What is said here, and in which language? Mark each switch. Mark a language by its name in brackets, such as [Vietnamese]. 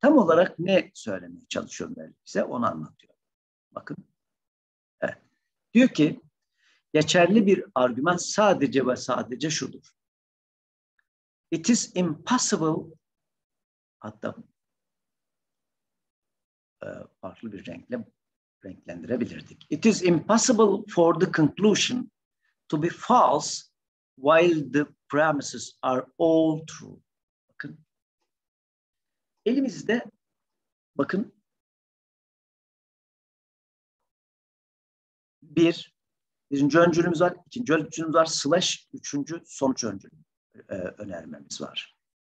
[Turkish] Tam olarak ne söylemeye çalışıyorum ben size, onu anlatıyorum. Bakın. Evet. Diyor ki geçerli bir argüman sadece ve sadece şudur. [English] It is impossible, [Turkish] hatta farklı bir renkle renklendirebilirdik. [English] It is impossible for the conclusion to be false while the premises are all true. [Turkish] Bakın, elimizde, bakın, birinci öncülümüz var, ikinci öncülümüz var, slash üçüncü sonuç öncülü önermemiz var.